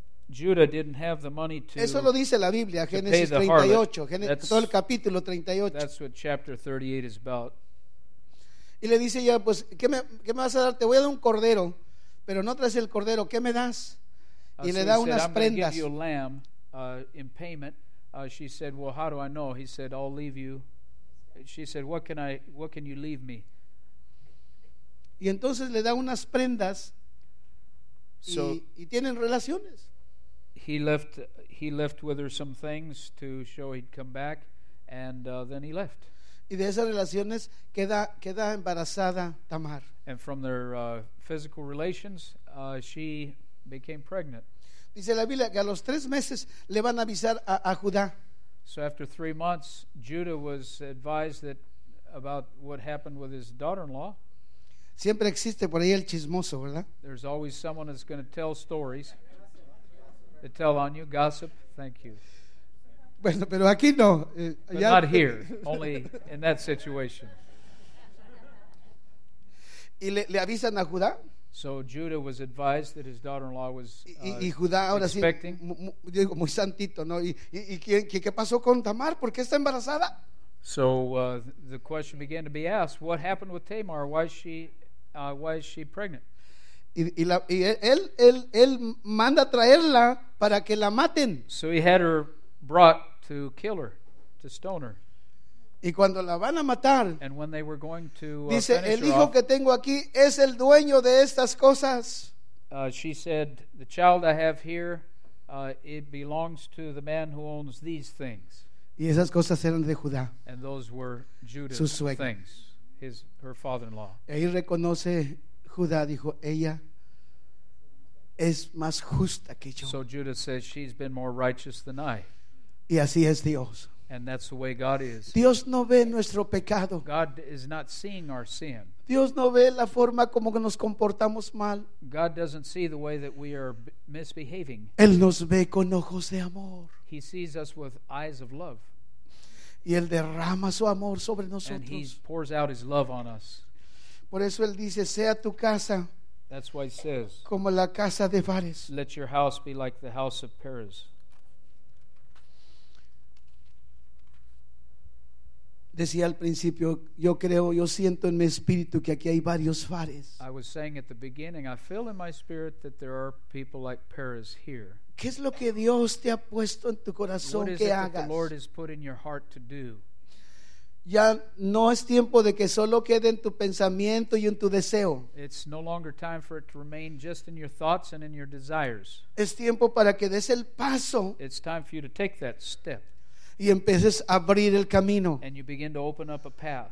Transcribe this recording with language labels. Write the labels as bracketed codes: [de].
[en] Judah didn't have the money to. [es] Eso lo dice la Biblia, Génesis 38, todo el capítulo 38. [en] That's what chapter 38 is about. [es] Y le dice ya, pues, ¿qué me vas a dar? Te voy a dar un cordero, pero no traes el cordero, ¿qué me das? Y le da unas prendas. [en] I'm going to give you a lamb in payment. She said, well, how do I know? He said, I'll leave you. She said, what can you leave me? [es] Y entonces le da unas prendas. So, y tienen relaciones. [en] He left with her some things to show he'd come back, and then he left. [es] Y de esas relaciones queda embarazada Tamar. [en] And from their physical relations, she became pregnant. [es] Dice la Biblia que a los tres meses le van a avisar a Judá. [en] So after 3 months, Judah was advised that about what happened with his daughter-in-law. [es] Siempre existe por ahí el chismoso, ¿verdad? [en] There's always someone that's going to tell stories. To tell on you, gossip. Thank you. [es] Bueno, pero aquí no. [en] But not here, only in that situation. [es] Y le avisan a Judá. [en] So Judah was advised that his daughter-in-law was [es] y Judá, ahora [en] expecting. [es] Sí, digo, muy santito, ¿no? ¿Y qué pasó con Tamar? ¿Por qué está embarazada? [en] So the question began to be asked, what happened with Tamar? Why is she pregnant? [es] Y él manda traerla para que la maten. [en] So he had her brought to kill her, to stone her. [es] Y cuando la van a matar, [en] and when they were going to, [es] dice, el hijo que tengo aquí es el dueño de estas cosas. [en] She said, the child I have here, it belongs to the man who owns these things. [es] Y esas cosas eran de Judá. [en] And those were Judah's things. Her father-in-law. [es] Ahí reconoce Judá, dijo, ella es más justa que yo. [en] So Judah says, she's been more righteous than I. [es] Y así es Dios. [en] And that's the way God is. [es] Dios no ve nuestro pecado. [en] God is not seeing our sin. [es] Dios no ve la forma como nos comportamos mal. [en] God doesn't see the way that we are misbehaving. [es] Él nos ve con ojos de amor. [en] He sees us with eyes of love. [es] Y él derrama su amor sobre nosotros. [en] And he pours out his love on us. [es] Por eso él dice, sea tu casa. [en] That's why he says, [es] como la casa de Phares. [en] Let your house be like the house of Perez. [es] Decía al principio, yo creo, yo siento en mi espíritu que aquí hay varios Phares. [en] I was saying at the beginning, I feel in my spirit that there are people like Perez here. [es] ¿Qué es lo que Dios te ha puesto en tu corazón que hagas? [en] What is it that the Lord has put in your heart to do? [es] Ya no es tiempo de que solo quede en tu pensamiento y en tu deseo. [en] It's no longer time for it to remain just in your thoughts and in your desires. [es] Es tiempo para que des el paso. [en] It's time for you to take that step. [es] Y empieces a abrir el camino. [en] And you begin to open up a path.